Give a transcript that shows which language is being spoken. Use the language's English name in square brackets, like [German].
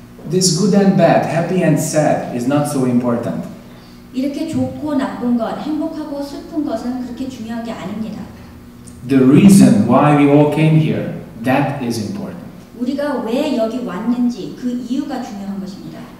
[English] This good and bad, happy and sad is not so important. [Korean] 이렇게 좋고 나쁜 것, 행복하고 슬픈 것은 그렇게 중요한 게 아닙니다. [English] The reason why we all came here, that is important. [Korean] 우리가 왜 여기 왔는지 그 이유가 중요한 것입니다.